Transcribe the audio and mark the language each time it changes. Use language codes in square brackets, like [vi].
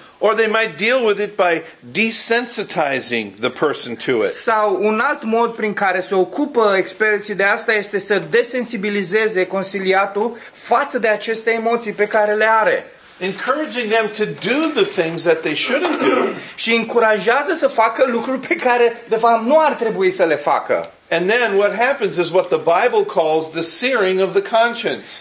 [en] Or they might deal with it by desensitizing the person to it. [ro] Sau un alt mod prin care se ocupă experții de asta este să desensibilizeze consiliatul față de aceste emoții pe care le are. [en] Encouraging them to do the things that they shouldn't do. [ro] Și încurajează să facă lucruri pe care de fapt nu ar trebui să le facă. [en] And then what happens is what the Bible calls the searing of the conscience.